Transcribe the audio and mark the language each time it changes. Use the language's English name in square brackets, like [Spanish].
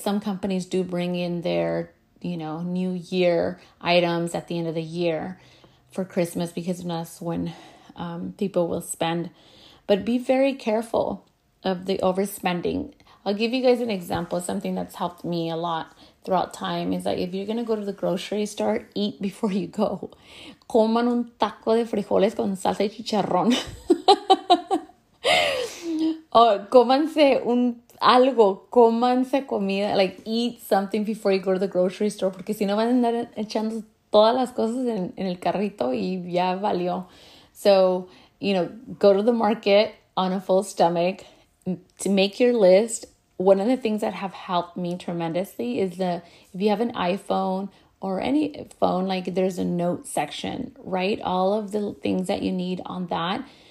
[English] Some companies do bring in their, you know, new year items at the end of the year for Christmas, because that's when people will spend. But be very careful of the overspending. I'll give you guys an example. Something that's helped me a lot throughout time is that if you're going to go to the grocery store, eat before you go. [Spanish] Coman un taco de frijoles con salsa y chicharrón. Comanse un algo. Comanse comida. [English] Like, eat something before you go to the grocery store. [Spanish] Porque si no, van a andar echando todas las cosas en el carrito y ya valió. [English] So, you know, go to the market on a full stomach to make your list. One of the things that have helped me tremendously is the, if you have an iPhone or any phone, like, there's a note section, write all of the things that you need on that.